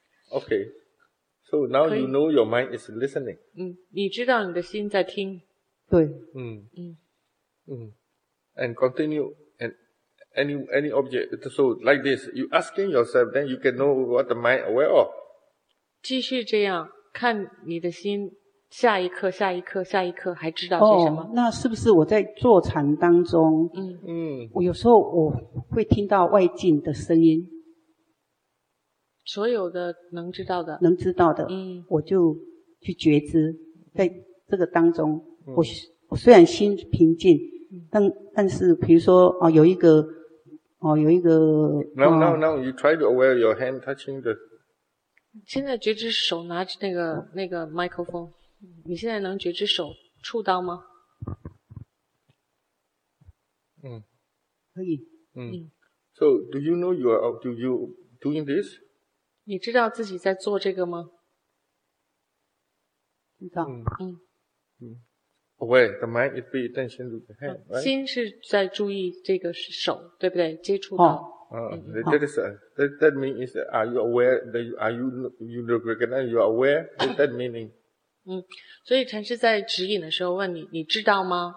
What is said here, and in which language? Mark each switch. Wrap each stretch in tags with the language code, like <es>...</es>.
<en>Okay. So now you know your mind is listening.</en> <zh>你知道你的心在听。对。</zh> <en>And continue and any object. So like this, you asking yourself, then you can know what the mind aware of.</en> <zh>继续这样看你的心，下一刻，下一刻，下一刻，还知道些什么？那是不是我在坐禅当中？嗯嗯，我有时候我会听到外境的声音。所有的能知道的，能知道的，嗯，我就去觉知，在这个当中，我虽然心平静，但是比如说有一个</zh> <en>No, you try to aware your hand touching the</en> <zh>现在觉知手拿着那个 microphone， 你现在能觉知手触到吗？嗯，可以。</zh> <en>嗯， So do you know you are do you doing this？</en> <zh>你知道自己在做这个吗？知道。嗯嗯。</zh> <en>Away, the mind is paying attention to the hand, right?</en> <zh>心是在注意这个手，对不对？接触到。</zh> <en>That means are you aware? Are you recognize you are aware? What that meaning?</en> <zh>所以禅师在指引的时候问你，你知道吗？</zh>